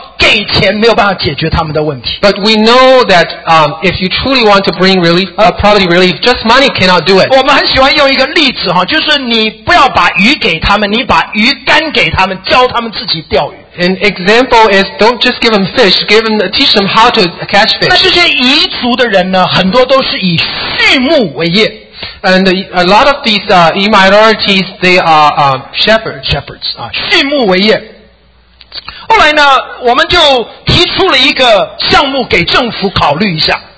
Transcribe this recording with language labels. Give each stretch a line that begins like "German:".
Chinese: 但是我们都知道，你要真正的做扶贫的工作，钱没有办法真正的解决他们的问题，给钱没有办法解决他们的问题。
English: But we know that if you truly want to bring relief, poverty relief, just money cannot do it.
Chinese: 我们很喜欢用一个例子，就是你不要把鱼给他们，你把鱼竿给他们，教他们自己钓鱼。
English: An example is don't just give them fish, give them, teach them how to catch fish.
Chinese: 那这些彝族的人呢，很多都是以畜牧为业。
English: And a lot of these minorities, they are shepherds.
Chinese: 畜牧为业。后来呢，我们就提出了一个项目给政府考虑一下。